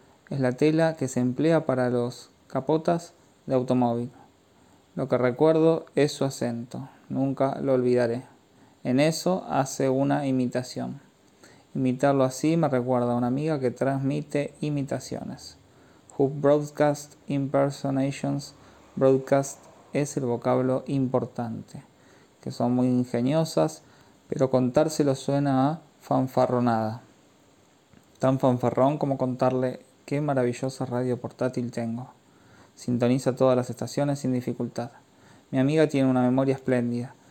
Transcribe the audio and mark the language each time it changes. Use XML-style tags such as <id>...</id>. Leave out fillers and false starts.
<es>Es la tela que se emplea para los capotas de automóvil. Lo que recuerdo es su acento. Nunca lo olvidaré. En eso hace una imitación. Imitarlo así me recuerda a una amiga que transmite imitaciones.</es> <en>Who broadcast impersonations?</en> <es>Broadcast es el vocablo importante. Que son muy ingeniosas, pero contárselo suena a fanfarronada. Tan fanfarrón como contarle qué maravillosa radio portátil tengo. Sintoniza todas las estaciones sin dificultad. Mi amiga tiene una memoria espléndida.</es>